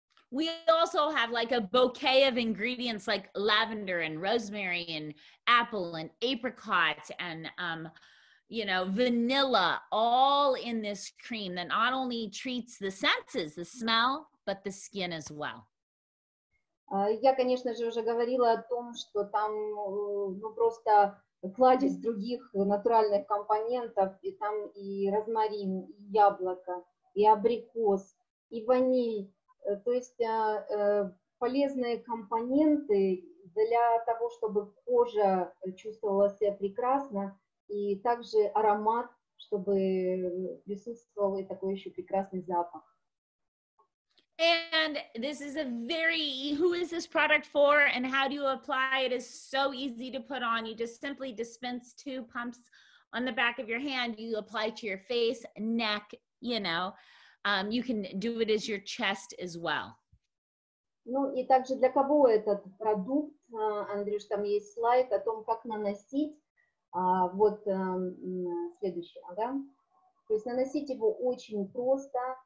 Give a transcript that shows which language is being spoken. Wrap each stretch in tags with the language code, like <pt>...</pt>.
<en>We also have like a bouquet of ingredients like lavender and rosemary and apple and apricot and you know, vanilla, all in this cream that not only treats the senses, the smell, but the skin as well.</en> <ru>Я, конечно же, уже говорила о том, что там ну просто кладезь других натуральных компонентов, и там и розмарин, и яблоко, и абрикос, и ваниль. То есть полезные компоненты для того, чтобы кожа чувствовала себя прекрасно, и также аромат, чтобы присутствовал и такой еще прекрасный запах.</ru> <en>And this is a very, who is this product for and how do you apply it? It's so easy to put on. You just simply dispense two pumps on the back of your hand. You apply to your face, neck, you know. You can do it as your chest as well.</en> <ru>Ну и также для кого этот продукт, Андрюш, там есть слайд о том, как наносить. Вот следующий, ага. То есть наносить его очень просто.</ru>